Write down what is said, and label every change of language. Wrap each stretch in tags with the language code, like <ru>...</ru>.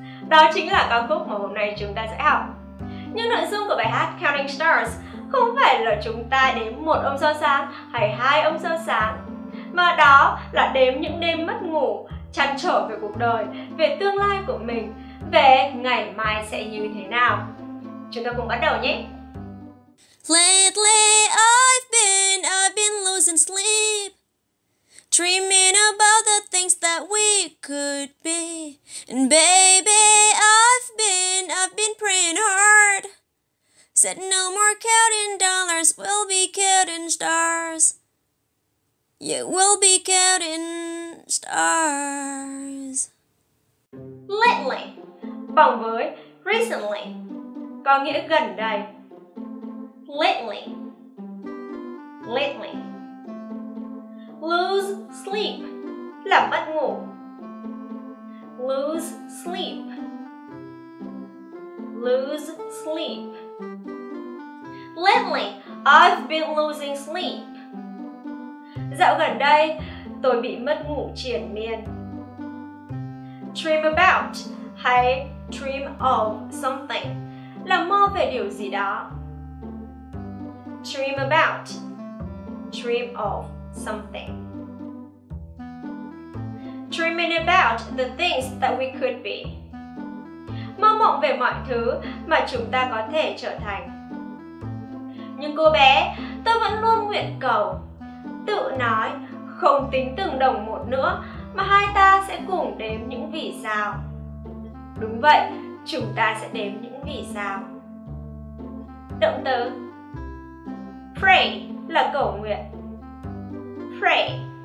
<vi>Đó chính là ca khúc mà hôm nay chúng ta sẽ học. Nhưng nội dung của bài hát Counting Stars không phải là chúng ta đếm một ông sao sáng hay hai ông sao sáng, mà đó là đếm những đêm mất ngủ, trăn trở về cuộc đời, về tương lai của mình, về ngày mai sẽ như thế nào. Chúng ta cùng bắt đầu nhé!</vi> <en>Lately I've been losing sleep, dreaming about the things that we could be. And baby, I've been praying hard, said no more counting dollars, we'll be counting stars. Yeah, we'll be counting stars.</en> <vi>Lately, bằng với recently, có nghĩa gần đây.</vi> <en>Lately, lately. Lose sleep</en> <vi>là mất ngủ.</vi> <en>Lose sleep. Lose sleep. Lately, I've been losing sleep.</en> <vi>Dạo gần đây, tôi bị mất ngủ triền miên. Dream about hay dream of something là mơ về điều gì đó.</vi> <en>Dream about, dream of something. Dreaming about the things that we could be.</en> <vi>Mơ mộng về mọi thứ mà chúng ta có thể trở thành. Nhưng cô bé, tôi vẫn luôn nguyện cầu, tự nói, không tính từng đồng một nữa, mà hai ta sẽ cùng đếm những vì sao. Đúng vậy, chúng ta sẽ đếm những vì sao. Động từ pray là cầu nguyện. Pray.</vi>